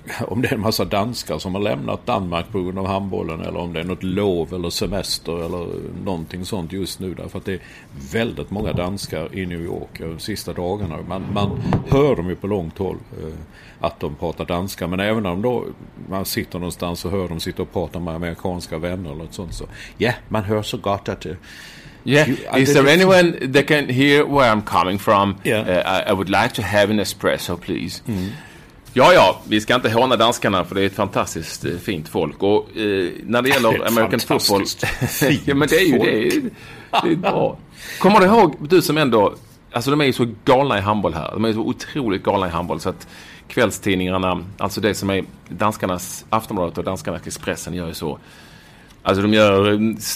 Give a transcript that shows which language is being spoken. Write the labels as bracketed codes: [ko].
[sv] Massa, om det är en massa danskar som har lämnat Danmark på grund av handbollen, eller om det är något lov eller semester eller någonting sånt just nu, därför att det är väldigt många danskar i New York de sista dagarna. Man hör dem ju på långt håll att de pratar danska, men även om då man sitter någonstans och hör dem sitta och prata med amerikanska vänner eller något sånt, så man hör så gott att det. [en] Yeah, is there anyone that can hear where I'm coming from? Yeah. I would like to have an espresso, please. [sv] Ja, vi ska inte håna danskarna, för det är ett fantastiskt fint folk. Och när det gäller American football... ja, men det är ju det är kommer du ihåg, du som ändå... Alltså, de är ju så galna i handboll här. De är så otroligt galna i handboll, så att kvällstidningarna, alltså det som är danskarnas Aftonbladet och danskarnas Expressen, gör ju så... Alltså, de gör...